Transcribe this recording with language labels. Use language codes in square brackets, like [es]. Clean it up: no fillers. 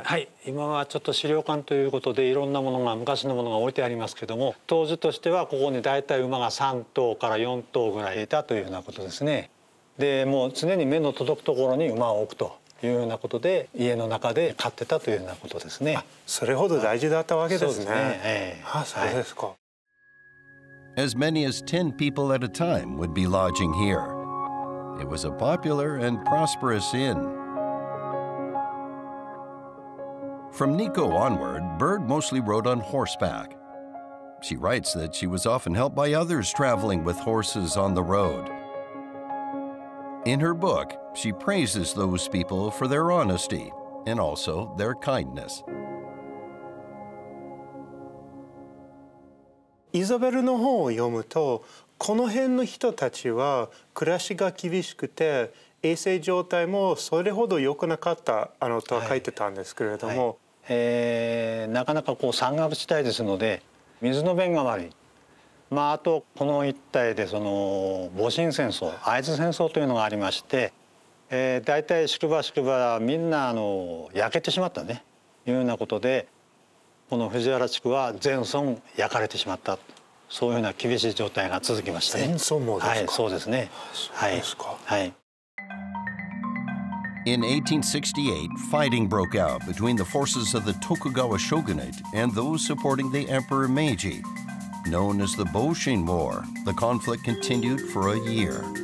[ja] はい、今はちょっと資料館ということでいろんなものが昔のものが置いてありますけども、当時としてはここにだいたい馬が3頭から4頭ぐらいいたというようなことですね。でもう常に目の届くところに馬を置くというようなことで家の中で飼ってたというようなことですね。それほど大事だったわけですね。そうですね、そうですか。 [en] As many as 10 people at a time would be lodging here. It was a popular and prosperous inn. From Nikko onward, Bird mostly rode on horseback. She writes that she was often helped by others traveling with horses on the road. In her book, she praises those people for their honesty and also their kindness. [ja] イザベルの本を読むと、この辺の人たちは暮らしが厳しくて衛生状態もそれほど良くなかったとは書いてたんですけれども、はいはい、なかなかこう山岳地帯ですので水の便が悪い、まあ、あとこの一帯でその戊辰戦争、会津戦争というのがありまして、大体宿場宿場はみんな焼けてしまったね、いうようなことで、この藤原地区は全村焼かれてしまった、そういうような厳しい状態が続きましたね。全村もですか？はい、そうですね。そうですか。はい。 [en] In 1868, fighting broke out between the forces of the Tokugawa shogunate and those supporting the Emperor Meiji. Known as the Boshin War, the conflict continued for a year.